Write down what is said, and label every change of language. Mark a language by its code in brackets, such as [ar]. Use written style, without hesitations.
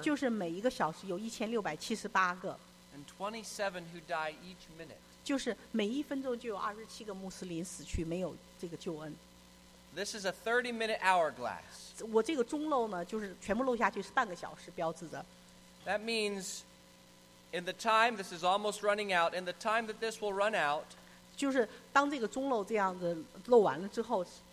[zh] 就是每一个小时有1,678个。 [en] And 27 who die each minute. [zh] 就是每一分钟就有27个穆斯林死去，没有这个救恩。 [en] This is a 30-minute hourglass. [zh] 我这个钟漏呢，就是全部漏下去是半个小时标志着。 [en] That means, in the time this is almost running out, in the time that this will run out, [zh] 就是当这个钟漏这样子漏完了之后。